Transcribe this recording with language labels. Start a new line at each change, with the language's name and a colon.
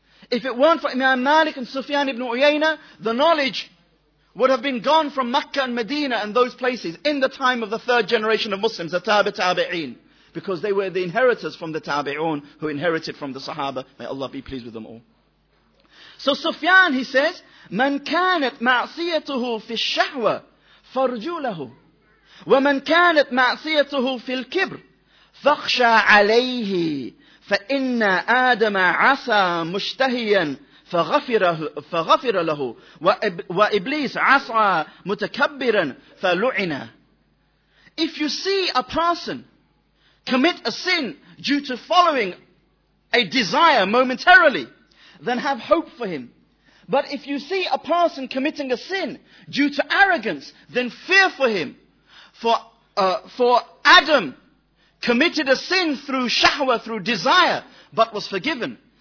English: If it weren't for Imam Malik and Sufyan ibn Uyayna, the knowledge would have been gone from Mecca and Medina and those places in the time of the third generation of Muslims, the Tabi'een, because they were the inheritors from the Tabi'un who inherited from the Sahaba. May Allah be pleased with them all. So Sufyan, he says,
Arabic: مَنْ كَانَتْ مَعْصِيَتُهُ فِي الشَّهْوَى فَرْجُوا لَهُ وَمَنْ كَانَتْ مَعْصِيَتُهُ فِي الْكِبْرِ فَخْشَى عَلَيْهِ فَإِنَّ آدَمَ عَصَى مُشْتَهِيًا فَغَفِرَ لَهُ وَإِبْلِيسَ عَصَى مُتَكَبِّرًا فَلُعِنَ.
English: If you see a person commit a sin due to following a desire momentarily, then have hope for him. But if you see a person committing a sin due to arrogance, then fear for him. For Adam committed a sin through shahwa, through desire, but was forgiven.